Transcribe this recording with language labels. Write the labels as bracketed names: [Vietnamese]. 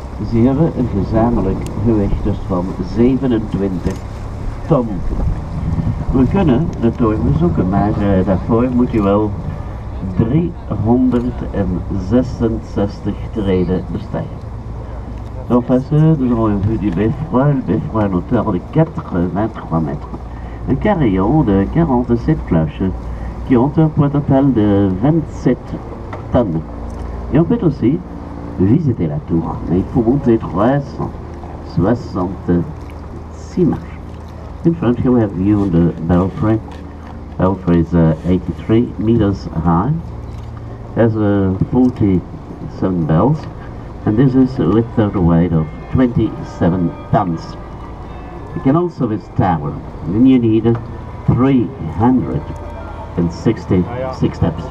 [Dutch] Ze hebben een gezamenlijk gewicht dus van 27 ton. We kunnen de toren bezoeken, maar daarvoor moet je wel 366 treden bestijgen. [French] Dans passé, nous avons une vue du beffroi, le beffroi à hauteur de 83 mètres. Un carillon de 47 cloches qui ont un poids total de 27 tonnes. Et on peut aussi visiter la tour, mais il faut monter 366 marches. [English] In front here we have view of the belfry. Belfry is 83 meters high. Has 47 bells. And this is with a weight of 27 tons. You can also this tower, then you need 366 steps.